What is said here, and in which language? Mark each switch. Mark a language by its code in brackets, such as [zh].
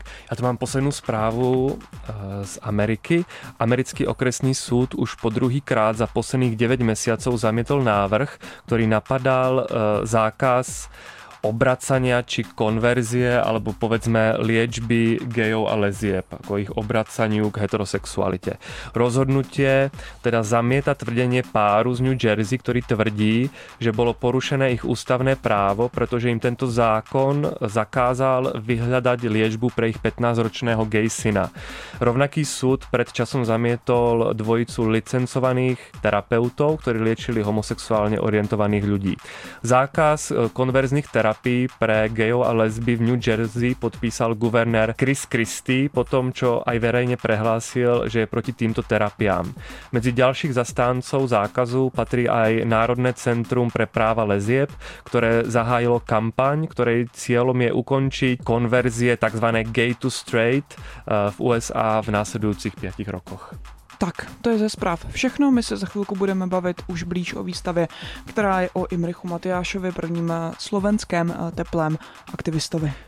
[cs] Já tu mám poslední zprávu z Ameriky. Americký okresní soud už po druhý krát za posledních 9 měsíců zamítl návrh, který napadal [sk] zákaz obracania či konverzie alebo povedzme liečby gejov a lezieb, ako ich obracaniu k heterosexualite. Rozhodnutie teda zamieta tvrdenie páru z New Jersey, ktorý tvrdí, že bolo porušené ich ústavné právo, pretože im tento zákon zakázal vyhľadať liečbu pre ich 15-ročného gej syna. Rovnaký súd pred časom zamietol dvojicu licencovaných terapeutov, ktorí liečili homosexuálne orientovaných ľudí. Zákaz konverzných terapeutov pre gejov a lesby v New Jersey podpísal guvernér Chris Christie po tom, čo aj verejne prehlásil, že je proti týmto terapiám. Medzi ďalších zastáncov zákazu patrí aj Národné centrum pre práva lesieb, ktoré zahájilo kampaň, ktorej cieľom je ukončiť konverzie tzv. Gay to straight v USA v následujúcich 5 rokoch. [cs] Tak, to je ze zpráv všechno. My se za chvilku budeme bavit už blíž o výstavě, která je o Imrichu Matyášovi, prvním slovenském teplém aktivistovi.